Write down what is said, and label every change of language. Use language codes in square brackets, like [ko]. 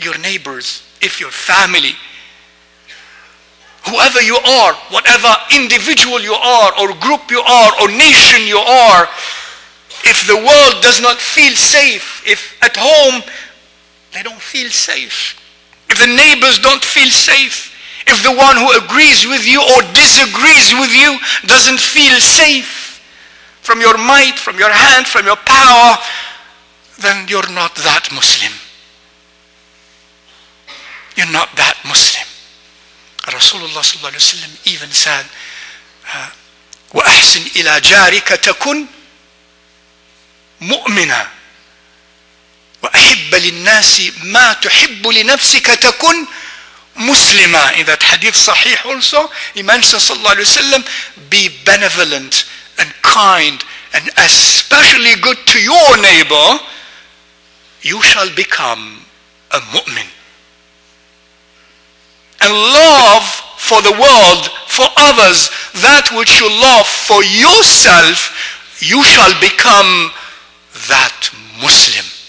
[en] your neighbors, if your family, whoever you are, whatever individual you are, or group you are, or nation you are, if the world does not feel safe, if at home they don't feel safe, if the neighbors don't feel safe, if the one who agrees with you or disagrees with you doesn't feel safe from your might, from your hand, from your power, then you're not that Muslim. You're not that Muslim. Rasulullah sallallahu alayhi wa sallam even said, [ar] وَأَحْسِنْ إِلَى جَارِكَ تَكُنْ مُؤْمِنًا وَأَحِبَّ لِلنَّاسِ مَا تُحِبُّ لِنَفْسِكَ تَكُنْ مُسْلِمًا. [en] In that hadith sahih also, he mentions sallallahu alayhi wa sallam, be benevolent and kind and especially good to your neighbor, you shall become a mu'min. And love for the world, for others, that which you love for yourself, you shall become that Muslim.